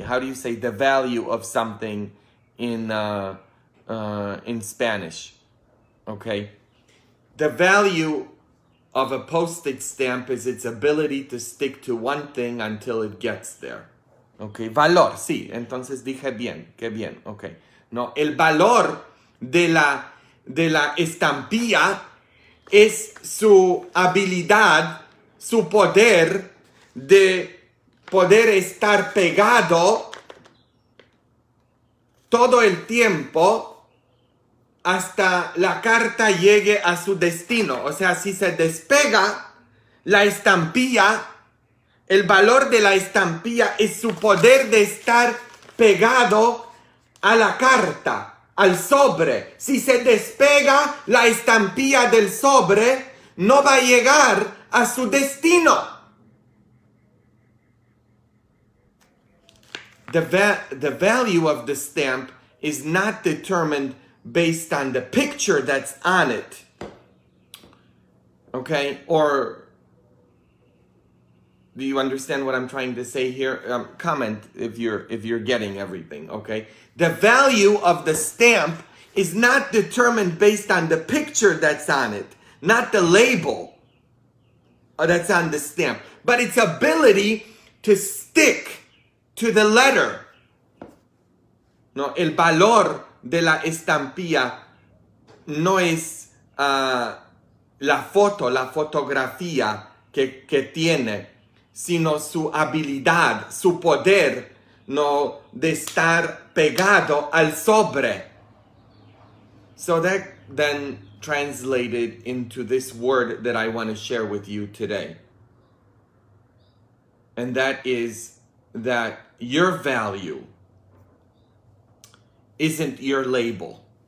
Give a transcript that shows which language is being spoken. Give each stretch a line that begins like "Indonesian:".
English: How do you say the value of something in Spanish? Okay. The value of a postage stamp is its ability to stick to one thing until it gets there.
Spanish: Okay, valor, sí, entonces dije bien, qué bien, okay. No, el valor de la estampilla es su habilidad, su poder de poder estar pegado todo el tiempo hasta la carta llegue a su destino. O sea, si se despega la estampilla, el valor de la estampilla es su poder de estar pegado a la carta, al sobre. Si se despega la estampilla del sobre, no va a llegar a su destino.
English: The value of the stamp is not determined based on the picture that's on it. Okay? Or do you understand what I'm trying to say here? Comment if you're getting everything, okay? The value of the stamp is not determined based on the picture that's on it, not the label that's on the stamp, but its ability to stick to the letter.
Spanish: No, el valor de la estampilla no es la foto, la fotografía que tiene, sino su habilidad, su poder, no, de estar pegado al sobre.
English: So that then translated into this word that I want to share with you today. And that is that your value isn't your label.